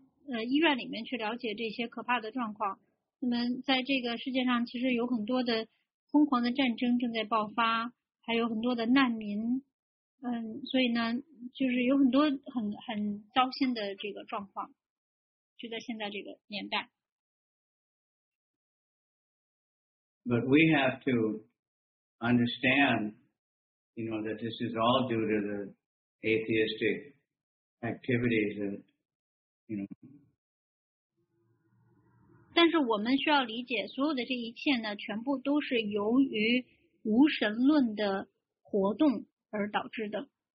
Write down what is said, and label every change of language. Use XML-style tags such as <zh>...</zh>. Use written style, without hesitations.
<en>We don't need to go to the hospital.</en> <zh>那么在这个世界上其实有很多的疯狂的战争正在爆发，还有很多的难民，所以呢就是有很多很糟心的这个状况，就在现在这个年代。</zh> <en>But we have to understand, that this is all due to the atheistic activities that,</en> <zh>但是我们需要理解，所有的这一切呢，全部都是由于无神论的活动而导致的。</zh>